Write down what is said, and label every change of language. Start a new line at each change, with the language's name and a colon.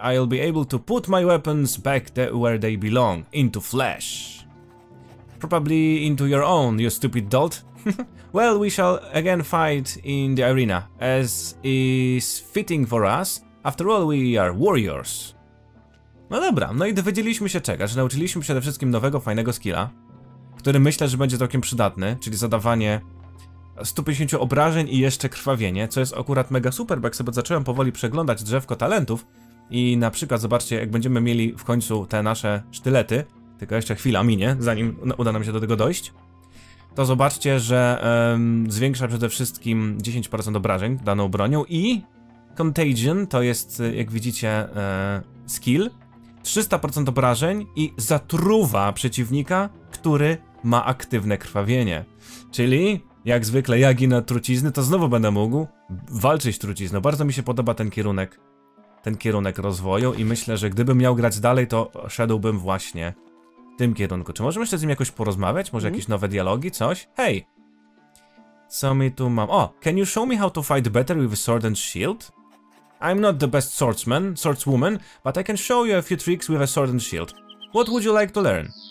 English: I'll be able to put my weapons back where they belong, into flesh. Probably into your own, you stupid dolt. Well, we shall again fight in the arena, as is fitting for us. After all, we are warriors.
Polish: No dobra, no i dowiedzieliśmy się czego, że nauczyliśmy przede wszystkim nowego, fajnego skilla, który myślę, że będzie całkiem przydatny, czyli zadawanie 150 obrażeń i jeszcze krwawienie, co jest akurat mega super, bo jak sobie zacząłem powoli przeglądać drzewko talentów i na przykład zobaczcie, jak będziemy mieli w końcu te nasze sztylety, tylko jeszcze chwila minie, zanim uda nam się do tego dojść, to zobaczcie, że zwiększa przede wszystkim 10% obrażeń daną bronią i Contagion to jest, jak widzicie, skill, 300% obrażeń i zatruwa przeciwnika, który ma aktywne krwawienie. Czyli, jak zwykle, ja ginę trucizny, to znowu będę mógł walczyć trucizną. Bardzo mi się podoba ten kierunek rozwoju i myślę, że gdybym miał grać dalej, to szedłbym właśnie w tym kierunku. Czy możemy jeszcze z nim jakoś porozmawiać? Może jakieś nowe dialogi, coś? Hej! Co mi tu mam? O!
English: Can you show me how to fight better with a sword and shield? I'm not the best swordswoman, but I can show you a few tricks with a sword and shield. What would you like to learn?